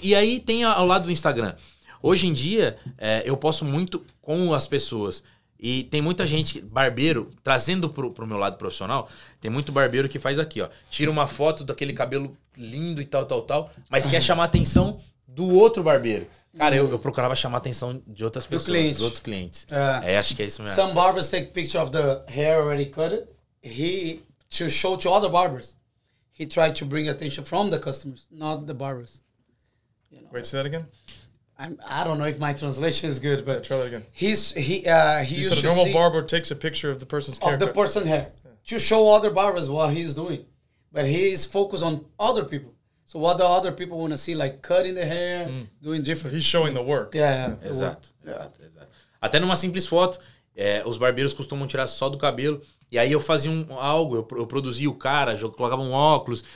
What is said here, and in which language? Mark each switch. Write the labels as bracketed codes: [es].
[pt] E aí tem ao lado do Instagram. Hoje em dia, eu posto muito com as pessoas. E tem muita gente, barbeiro, trazendo pro meu lado profissional, tem muito barbeiro que faz aqui, ó. Tira uma foto daquele cabelo lindo e tal, tal, tal, mas quer chamar a atenção do outro barbeiro. Cara, eu procurava chamar a atenção de outras pessoas, dos outros clientes. Acho que é isso mesmo. [en] Some barbers take picture of the hair already cut. To show to other barbers. He tried to bring attention from the customers, not the barbers. You know. Wait, say that again? I don't know if my translation is good, but... Yeah, try that again. He said a normal barber takes a picture of the person's hair. Of the person hair. Yeah. To show other barbers what he's doing. But he is focused on other people. So what the other people want to see, like cutting the hair, doing different... He's showing the work. Yeah. [pt] Exato. Até numa simples foto, os barbeiros costumam tirar só do cabelo. E aí eu fazia algo, eu produzia o cara, eu colocava um óculos.